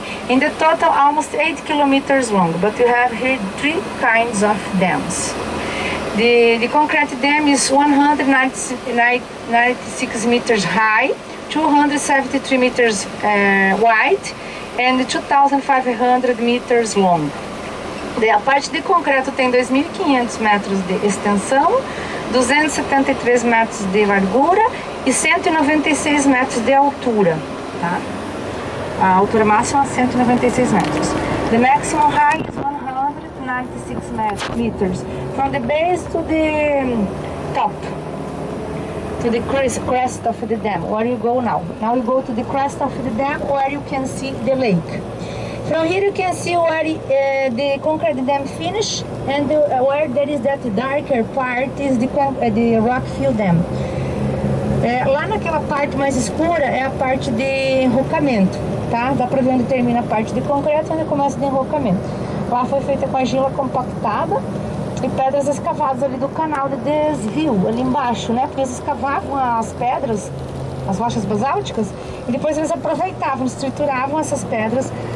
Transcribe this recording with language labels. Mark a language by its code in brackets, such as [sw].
[en] In the total, almost 8 kilometers long, but you have here three kinds of dams. The concrete dam is 196 meters high, 273 meters wide, and 2,500 meters long. [pt] A parte de concreto tem 2.500 metros de extensão, 273 metros de largura e 196 metros de altura, tá? A altura máxima é 196 metros. [en] The maximum height is 196 meters. From the base to the top, to the crest of the dam, where you go now. Now you go to the crest of the dam, where you can see the lake. From here you can see where the concrete dam finish and where there is that darker part is the rock fill dam. [pt] Lá naquela parte mais escura é a parte de enrocamento, tá? Dá pra ver onde termina a parte de concreto e onde começa de enrocamento. Lá foi feita com argila compactada e pedras escavadas ali do canal de desvio, ali embaixo, né? Porque eles escavavam as pedras, as rochas basálticas, e depois eles aproveitavam, estruturavam essas pedras.